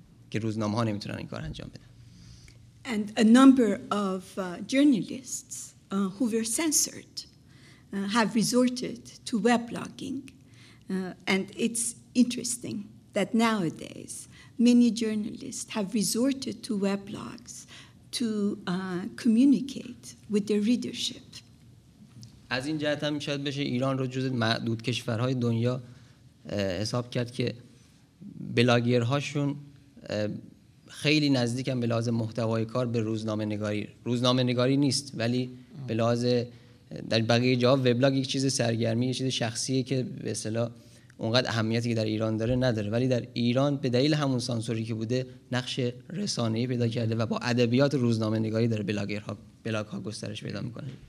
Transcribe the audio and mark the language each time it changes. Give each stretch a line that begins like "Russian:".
Persian: که روزنامه‌ها نمیتونن این کار انجام بدن.
English: And a number of journalists who were censored have resorted to web blogging, and it's interesting that nowadays many journalists have resorted to web blogs to communicate with their readership.
Persian: از این جهت هم شاید بشه ایران رو جز معدود کشورهای دنیا حساب کرد که بلاگرهاشون خیلی نزدیکم به لحاظ محتوای کار به روزنامه‌نگاری نیست، ولی به لحاظ در بقیه جا وبلاگ یک چیز سرگرمی، یک چیز شخصیه که به اصطلاح اونقدر اهمیتی که در ایران داره نداره، ولی در ایران به دلیل همون سانسوری که بوده نقش رسانه‌ای پیدا کرده و با ادبیات روزنامه‌نگاری داره بلاگ‌ها گسترش پیدا می‌کنه.